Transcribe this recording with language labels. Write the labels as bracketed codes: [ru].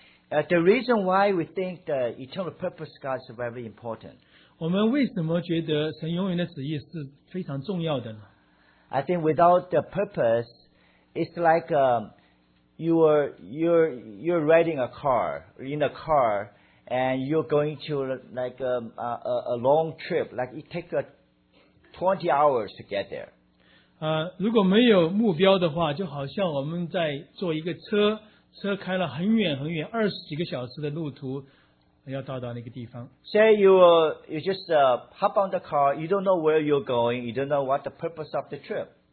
[en] The reason why we think the eternal purpose of God is very important. [zh] 我们为什么觉得神永远的旨意是非常重要的呢? [en] I think without the purpose, it's like you're riding a car, in a car, and you're going to like a long trip, like it takes 20 hours to get there. [zh] 如果没有目标的话，就好像我们在坐一个车。车开了很远很远，二十几个小时的路途，要到达那个地方。 [en] Say you just hop on the car, you don't know where you're going, you don't know what the purpose of the trip.